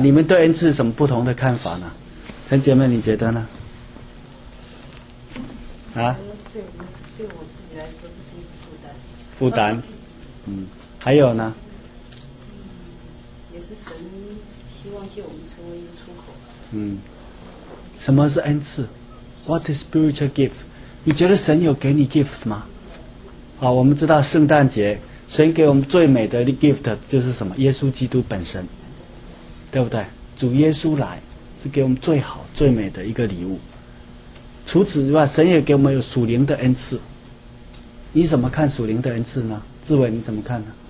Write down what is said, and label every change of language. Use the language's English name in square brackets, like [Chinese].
[Chinese] 你们对恩赐什么不同的看法呢？陈姐妹，你觉得呢？啊？对我自己来说是一个负担。负担。嗯。还有呢？也是神希望借我们成为一个出口。嗯。什么是恩赐 ？ [English] What is spiritual gift？ [Chinese] 你觉得神有给你 gift 吗？啊，我们知道圣诞节，神给我们最美的 gift 就是什么？耶稣基督本身，对不对？主耶稣来是给我们最好、最美的一个礼物。除此之外，神也给我们有属灵的恩赐。你怎么看属灵的恩赐呢？志伟，你怎么看呢？